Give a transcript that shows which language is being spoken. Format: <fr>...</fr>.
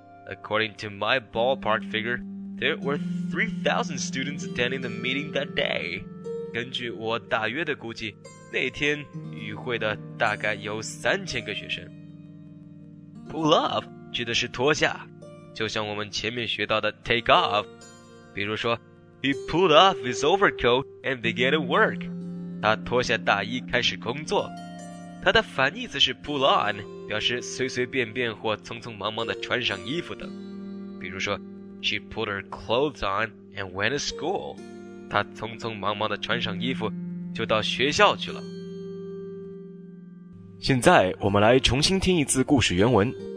<en>According to my ballpark figure there were 3,000 students attending the meeting that day，</en> <zh>根据我大约的估计，那天与会的大概有3000个学生。</zh> <en>pull off</en> <zh>指的是脱下，就像我们前面学到的 take off， 比如说</zh> <en>he pulled off his overcoat and began to work，</en> <zh>他脱下大衣开始工作。他的反义词是 pull on， 表示随随便便或匆匆忙忙的穿上衣服等。比如说</zh> <en>she pulled her clothes on and went to school，</en> <zh>他匆匆忙忙的穿上衣服就到学校去了。现在我们来重新听一次故事原文。</zh>